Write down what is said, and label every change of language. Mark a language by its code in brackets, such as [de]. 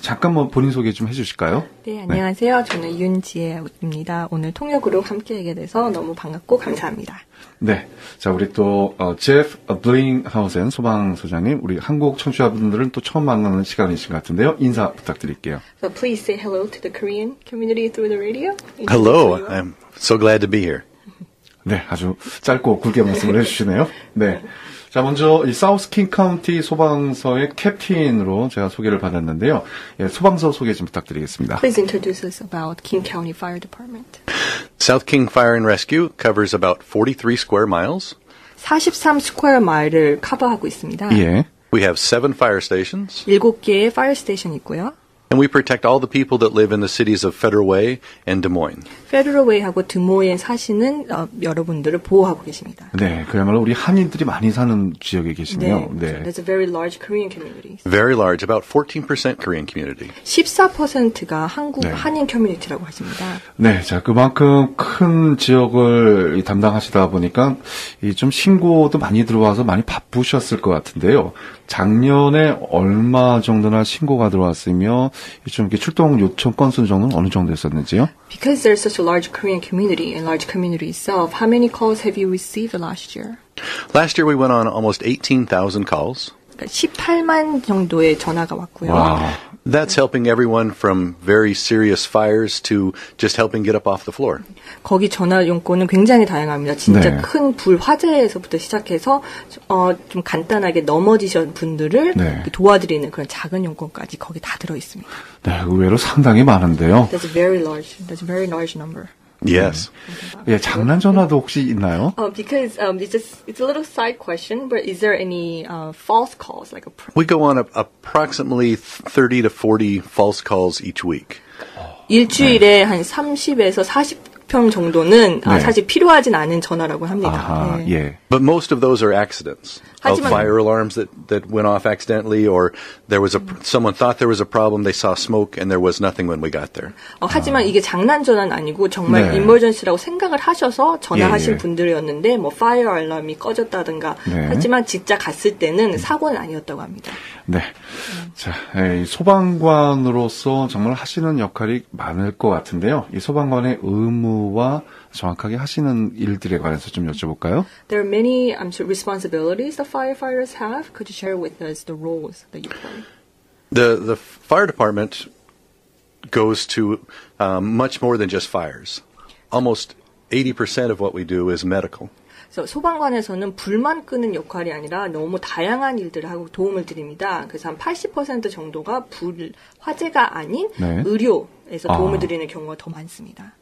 [ko] 잠깐 뭐 본인 소개 좀 해 주실까요? 네, 안녕하세요. 네. 저는 윤지혜입니다. 오늘 통역으로 함께하게 돼서 너무 반갑고 감사합니다. 네, 자 우리 또 제프 블링하우센 소방서장님, 우리 한국 청취자분들은 또 처음 만나는 시간이신 것 같은데요. 인사 부탁드릴게요. [en] So please say hello to the Korean community through the radio. Hello, I'm so glad to be here. [ko] 네, 아주 짧고 굵게 말씀을 해주시네요. 네. 자, 먼저 이 사우스 킹 카운티 소방서의 캡틴으로 제가 소개를 받았는데요. 예, 소방서 소개 좀 부탁드리겠습니다. [en] Please introduce us about King County Fire Department. South King Fire and Rescue covers about 43 square miles. [ko] 43 square mile를 커버하고 있습니다. 예. [en] We have 7 fire stations. [ko] 7개의 fire station 있고요. [en] And we protect all the people that live in the cities of Federal Way and Des Moines. [ko] Federal Way하고 드모에 사시는 여러분들을 보호하고 계십니다. 네, 그야말로 우리 한인들이 많이 사는 지역에 계시네요. 네, 네. [en] That's a very large Korean community. Very large, about 14% Korean community. [ko] 14%가 한국 네. 한인 커뮤니티라고 하십니다. 네, 자 그만큼 큰 지역을 담당하시다 보니까 이 좀 신고도 많이 들어와서 많이 바쁘셨을 것 같은데요. 작년에 얼마 정도나 신고가 들어왔으며 좀 이렇게 출동 요청 건수 정도는 어느 정도였었는지요? [en] Because there's such a large Korean community and large community itself, how many calls have you received last year? Last year we went on almost 18,000 calls. [ko] 18만 정도의 전화가 왔고요. [en] Wow. That's helping everyone from very serious fires to just helping get up off the floor. [ko] 거기 전화 용건은 굉장히 다양합니다. 진짜 네. 큰 불 화재에서부터 시작해서 좀 간단하게 넘어지신 분들을 네. 도와드리는 그런 작은 용건까지 거기 다 들어 있습니다. 네, 의외로 상당히 많은데요. [en] That's a very large. That's a very large number. Yes. [ko] 네. 예, 장난 전화도 혹시 있나요? [en] Because it's a little side question, but is there any false calls like a? We go on approximately 30 to 40 false calls each week. [ko] 일주일에 네. 한 30에서 40편 정도는 네. 사실 필요하진 않은 전화라고 합니다. 아하, 네. 예. [en] But most of those are accidents. Of fire alarms that went off accidentally, or there was someone thought there was a problem, they saw smoke, and there was nothing when we got there. [ko] 하지만 이게 장난 전화는 아니고 정말 네. emergency라고 생각을 하셔서 전화하신 예, 예. 분들이었는데 뭐 fire alarm이 꺼졌다든가 네. 하지만 진짜 갔을 때는 사고는 아니었다고 합니다. 네, 자 소방관으로서 정말 하시는 역할이 많을 것 같은데요. 이 소방관의 의무와 정확하게 하시는 일들에 관해서 좀 여쭤볼까요? [en] There are many responsibilities the firefighters have. Could you share with us the roles that you play? The fire department goes to much more than just fires. Almost 80% of what we do is medical. [ko] So, 소방관에서는 불만 끄는 역할이 아니라 너무 다양한 일들을 하고 도움을 드립니다. 그래서 한 80% 정도가 화재가 아닌 네. 의료에서 도움을 드리는 경우가 더 많습니다.